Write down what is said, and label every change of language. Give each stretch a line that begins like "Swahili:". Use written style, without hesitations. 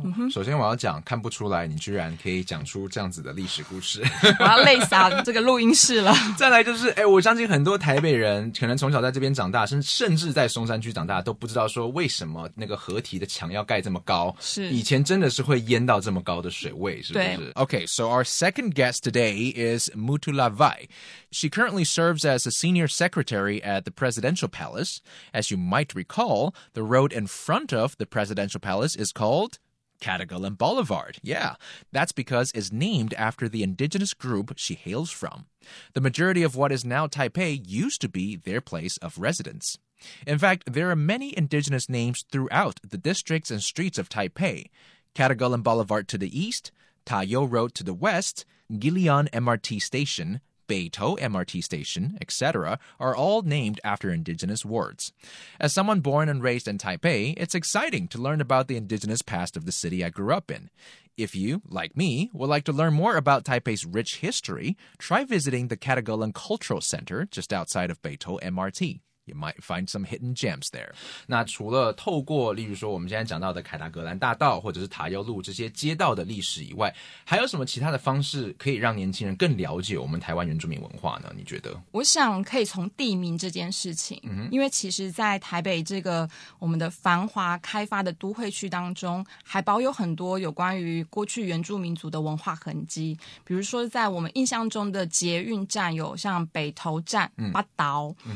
Chinese: 首先我要讲看不出来你居然可以讲出这样子的历史故事，我要累死这个录音室了。再来就是我相信很多台北人可能从小在这边长大，甚至在松山区长大，都不知道说为什么那个河堤的墙要盖这么高，是以前真的是会淹到这么高的水位，是不是？
English: OK, so our second guest today is Mudulavai. She currently serves as a senior secretary at the presidential palace. As you might recall, the road in front of the presidential palace is calledCatagalan Boulevard. Yeah, that's because it's named after the indigenous group she hails from. The majority of what is now Taipei used to be their place of residence. In fact, there are many indigenous names throughout the districts and streets of Taipei. Catagalan Boulevard to the east, Taiyo Road to the west, Gilian MRT Station, Beitou MRT Station, etc. are all named after indigenous words. As someone born and raised in Taipei, it's exciting to learn about the indigenous past of the city I grew up in. If you, like me, would like to learn more about Taipei's rich history, try visiting the Catagalan Cultural Center just outside of Beitou MRT. You might find some hidden gems there.
Chinese: 那除了透过例如说我们现在讲到的凯达格兰大道或者是塔优路这些街道的历史以外，还有什么其他的方式可以让年轻人更了解我们台湾原住民文化呢？你觉得？我想可以从地名这件事情，因为其实在台北这个我们的繁华开发的都会区当中，还保有很多有关于过去原住民族的文化痕迹，比如说在我们印象中的捷运站有像北投站、八岛、